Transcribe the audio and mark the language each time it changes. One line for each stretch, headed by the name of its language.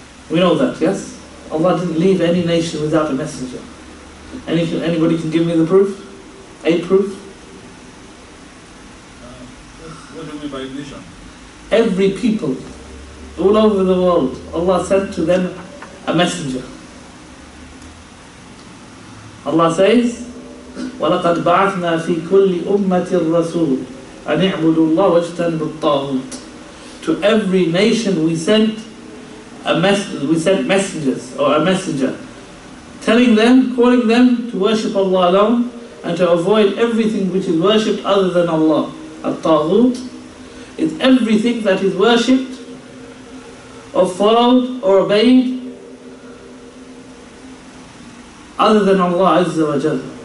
English: We know that, yes? Allah didn't leave any nation without a messenger. Anybody can give me the proof? A proof? What do we mean by nation? Every people, all over the world, Allah sent to them a messenger. Allah says,
Arabic: وَلَقَدْ بَعَثْنَا فِي كُلِّ أُمَّةِ الرَّسُولِ أَنِعْبُدُ اللَّهُ وَاجْتَنِبُ الطَّاغُوتِ.
English: To every nation we sent messengers, or a messenger, telling them, calling them to worship Allah alone, and to avoid everything which is worshipped other than Allah. الطاغوت is everything that is worshipped, or followed, or obeyed, other than Allah Azza wa Jalla.